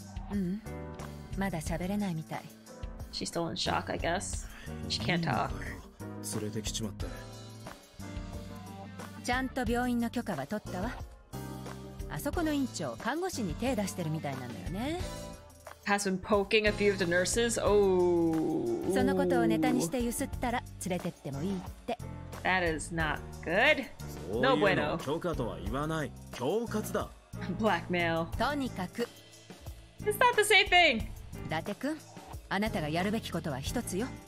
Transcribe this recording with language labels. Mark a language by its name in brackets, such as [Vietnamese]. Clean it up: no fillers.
[Japanese] うん、まだ喋れないみたい。 [English] She's still in shock, I guess. She can't talk. [Japanese] 連れてきちまった。ちゃんと病院の許可は取ったわ。あそこの院長、看護師に手出してるみたいなんだよね。 [English] Has been poking a few of the nurses. Oh. [Japanese] そのことをネタにして揺すったら連れてってもいいって。 [English] That is not good. [Spanish] No bueno. [Japanese] 許可とは言わない。恐喝だ。 [English] Blackmail. [Japanese] とにかく。 [English] It's not the same thing. [Japanese] 伊達くん、あなたがやるべきことは一つよ。